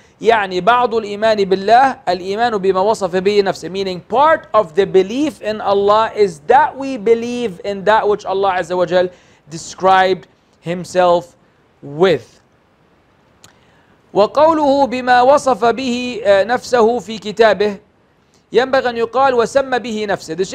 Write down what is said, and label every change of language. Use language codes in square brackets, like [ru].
[ar] يعني بعض الإيمان بالله الإيمان بما وصف به نفسه. [en] Meaning part of the belief in Allah is that we believe in that which Allah Azza wa Jal described Himself with. [ar] وقوله بما وصف به نفسه في كتابه ينبغي أن يقال وسمى به نفسه.